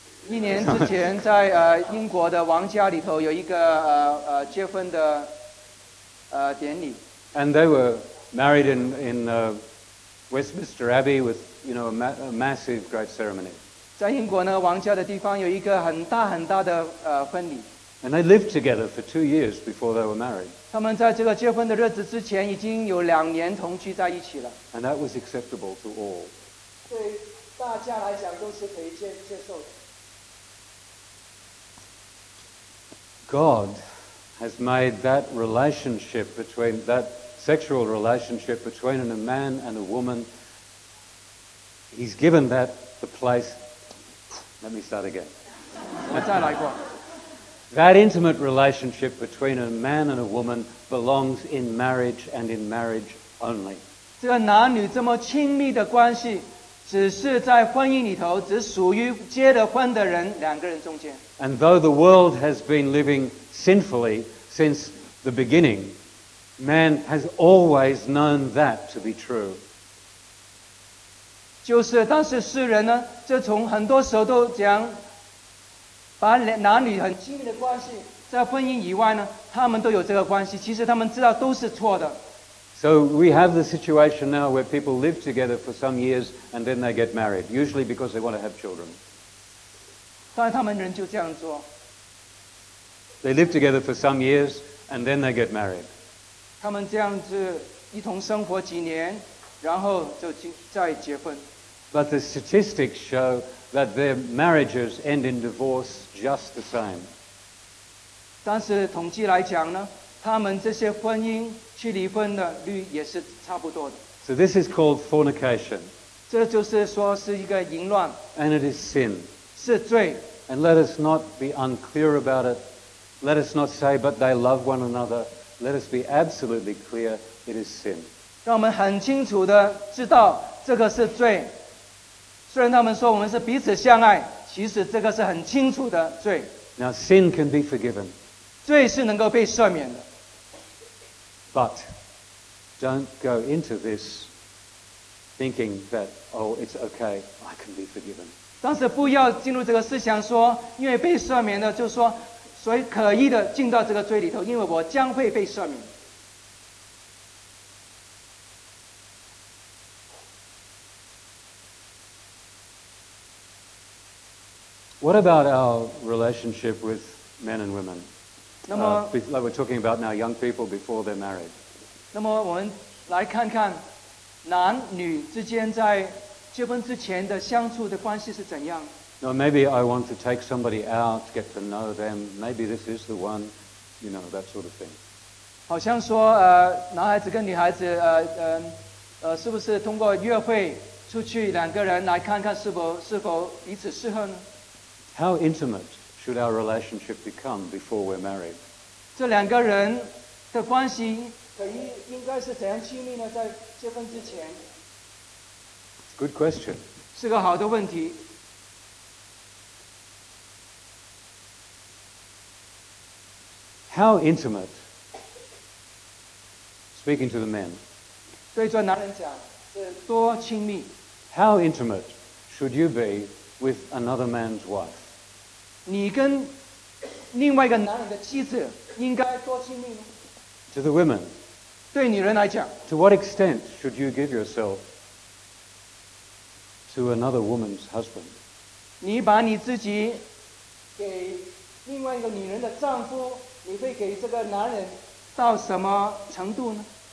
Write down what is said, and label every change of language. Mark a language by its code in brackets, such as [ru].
[zh] 一年之前在英国的王家里头有一个结婚的典礼 [en] And they were married in Westminster Abbey withYou know, a massive, great ceremony. [zh] 在英国呢，王家的地方有一个很大很大的婚礼。 [en] And they lived together for 2 years before they were married. [zh] 他们在这个结婚的日子之前已经有两年同居在一起了。 [en] And that was acceptable to all. [zh] 对大家来讲都是可以接受的。 [en] God has made that relationship between that sexual relationship between a man and a woman. He's given that the place. Let me start again. [zh] 我再来过。 [en] That intimate relationship between a man and a woman belongs in marriage and in marriage only. [zh] 这个男女这么亲密的关系，只是在婚姻里头，只属于结了婚的人两个人中间。 [en] And though the world has been living sinfully since the beginning, man has always known that to be true. [zh] 就是当时世人呢就从很多时候都讲把男女很亲密的关系在婚姻以外呢他们都有这个关系其实他们知道都是错的 [en] So we have the situation now where people live together for some years and then they get married, usually because they want to have children. [zh] 但他们人就这样做。 [en] They live together for some years and then they get married. [zh] 他们这样子一同生活几年, 然后就再结婚。 [en] But the statistics show that their marriages end in divorce just the same. [zh] 但是统计来讲呢, 他们这些婚姻去离婚的率也是差不多的。 [en] So this is called fornication. [zh] 这就是说是一个淫乱。 [en] And it is sin. [zh] 是罪。 [en] And let us not be unclear about it. Let us not say, but they love one another. Let us be absolutely clear, it is sin. [zh] 让我们很清楚地知道这个是罪。虽然他们说我们是彼此相爱, 其实这个是很清楚的罪。 [en] Now sin can be forgiven. [zh] 罪是能够被赦免的。 [en] But don't go into this thinking that, oh, it's okay, I can be forgiven. [zh] 但是不要进入这个思想说, 因为被赦免的就是说, 所以可疑地进到这个罪里头, 因为我将会被赦免。 [en] What about our relationship with men and women? Like we're talking about now, young people before they're married. [zh] 那么我们来看看男女之间在结婚之前的相处的关系是怎样。 [en] No, maybe I want to take somebody out, get to know them. Maybe this is the one, you know, that sort of thing. [zh] 好像说男孩子跟女孩子是不是通过约会出去两个人来看看是否彼此适合呢？ [en] How intimate should our relationship become before we're married? [zh] 这两个人的关系应该是怎样亲密呢？在结婚之前。 [en] Good question. [zh] 是个好的问题。 [en] How intimate, speaking to the men, [zh] 对着男人讲,是多亲密。 [en] How intimate should you be with another man's wife? [zh] 你跟另外一个男人的妻子应该多亲密吗? [en] To the women. [zh] 对女人来讲, [en] to what extent should you give yourself to another woman's husband? [zh] 你把你自己给另外一个女人的丈夫, 你会给这个男人到什么程度呢?